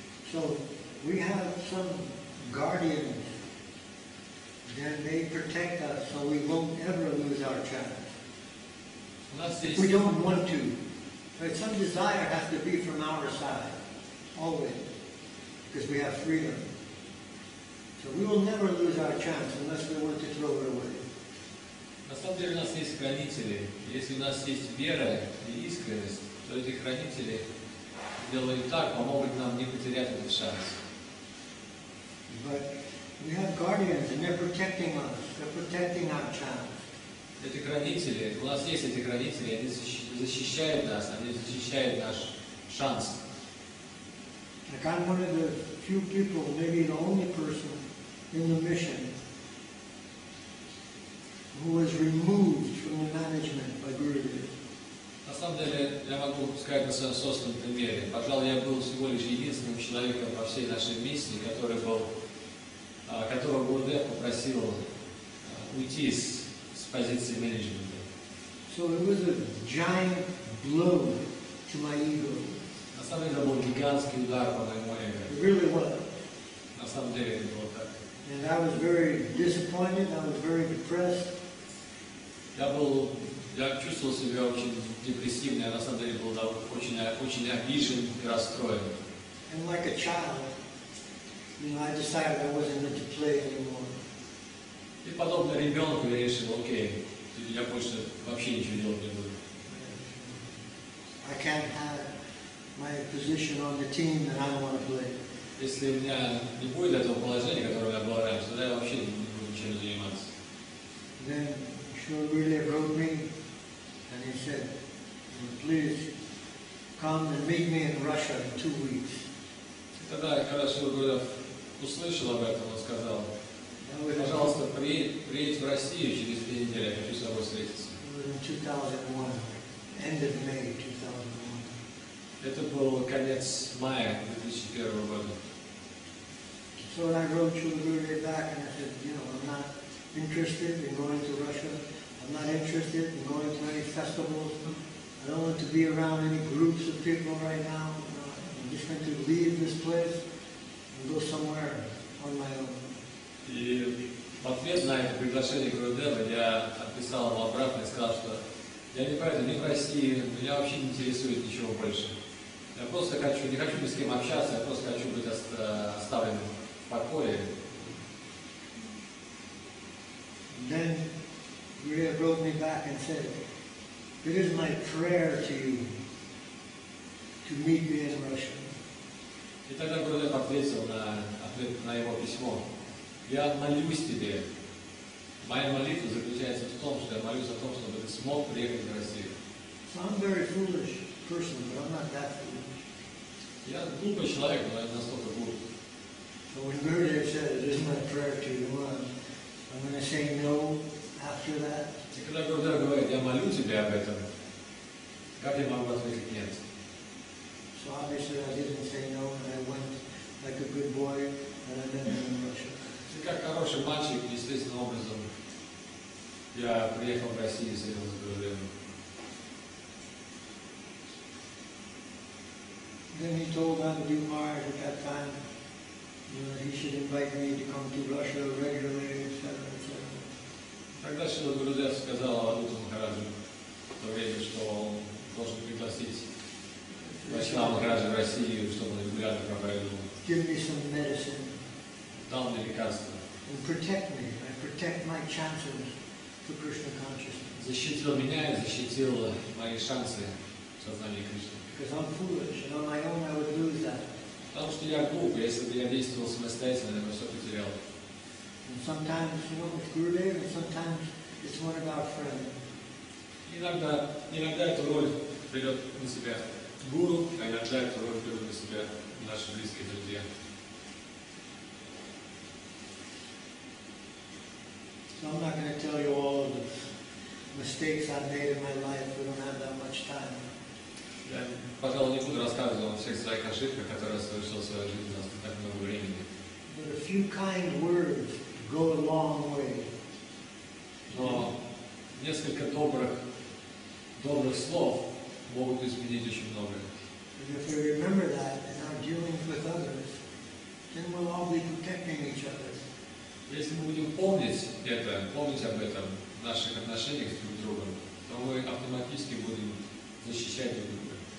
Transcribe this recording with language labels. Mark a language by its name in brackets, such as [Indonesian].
[English] So we have some guardians that may protect us so we won't ever lose our chance. If we don't want to. But some desire has to be from our side, always, because we have freedom. So we will never lose our chance unless we want to throw it away. [Russian] На самом деле у нас есть хранители. Если у нас есть вера и искренность, то эти хранители делают так, помогут нам не потерять этот шанс. [English] But we have guardians and they're protecting us. They're protecting our chance. [Russian] Эти хранители, у нас есть эти хранители, они защищают нас, они защищают наш шанс. [English] Like I'm one of the few people, maybe the only person in the mission who was removed from the management by Guruji. [Russian] На самом деле, я могу сказать на своем собственном примере. Пожалуй, я был всего лишь единственным человеком во всей нашей миссии, который был, которого Гурудев попросил уйти с позиции менеджмента. [English] So it was a giant blow to my ego. [Russian] На самом деле, это был гигантский удар по моему эго. [English] It really was. [Russian] На самом деле, это было так. [English] And I was very disappointed, I was very depressed. [Russian] Я чувствовал себя очень депрессивно, я на самом деле был очень обижен и расстроен. [English] And like a child, you know, I decided I wasn't going to play anymore. [Russian] И подобно ребенку я решил, окей, я больше вообще ничего делать не буду. [English] I can't have my position on the team that I don't want to play. [Russian] Если у меня не будет этого положения, которое я был раньше, тогда я вообще не буду ничем заниматься. [English] Then Shri Gurudev wrote me, and he said, please come and meet me in Russia in 2 weeks. [Russian] Тогда, когда Шри Гурудев услышал об этом, он сказал, пожалуйста, приедь в Россию через 2 недели, я хочу с тобой встретиться. [English] It was in 2001, end of May 2001. [Russian] Это был конец мая 2001 года. [English] So I wrote Shri Gurudev back, and I said, you know, I'm not interested in going to Russia. I'm not interested in going to any festivals. I don't want to be around any groups of people right now. I'm just going to leave this place and go somewhere on my own. [Russian] И в ответ на это приглашение Гурудева я отписал ему обратно и сказал, что я не поеду ни в Россию, меня вообще не интересует ничего больше. Я просто хочу, не хочу ни с кем общаться, я просто хочу быть оставленным в покое. [English] Then Gurudev wrote me back and said, it is my prayer to you to meet me in Russia. [Russian] И тогда Гурудев ответил на ответ на его письмо. Я молюсь тебе. Моя молитва заключается в том, что я молюсь о том, чтобы ты смог приехать в Россию. [English] So I'm a very foolish person, but I'm not that foolish. [Russian] Я глупый человек, но я настолько глуп. [English] So when Gurudev said, it is my prayer to you, I'm going to say no after that. [Russian] И когда Гурудев говорит, я молю тебя об этом, как я могу ответить нет? [English] So obviously I didn't say no, and I went like a good boy, and I met him in Russia. [Russian] И как хороший мальчик, естественным образом, я приехал в Россию с этим Гурудевым. [English] Then he told Abhidhi Maharaj at that time, you know, he should invite me to come to Russia regularly, etc. [Russian] Тогда Шрила Гурудев сказал Адвайта Махараджу в то время, что он должен пригласить Вайшнава Махараджа в Россию, чтобы он регулярно проповедовал. [English] Give me some medicine. [Russian] Дал мне лекарство. [English] And protect me. I protect my chances for Krishna consciousness. [Russian] Защитил меня и защитил мои шансы в сознании Кришны. [English] Because I'm foolish and on my own I would lose that. [Russian] Потому что я глуп, если бы я действовал самостоятельно, я бы все потерял. [English] And sometimes, you know, it's Gurudev, and sometimes it's one of our friends. [Russian] Иногда эту роль берет на себя гуру, а иногда эту роль берет на себя наши близкие друзья. [English] So I'm not going to tell you all the mistakes I've made in my life. We don't have that much time. [Russian] Пожалуй, не буду рассказывать вам всех своих ошибок. ошибка, которая совершил в своей жизни, у нас не так много времени. [English] But a few kind words go a long way. [Russian] Но несколько добрых, слов могут изменить очень многое. [English] And if we remember that and are dealing with others, then we'll all be protecting each other. [Russian] Если мы будем помнить это, помнить об этом в наших отношениях друг с другом, то мы автоматически будем защищать друг друга.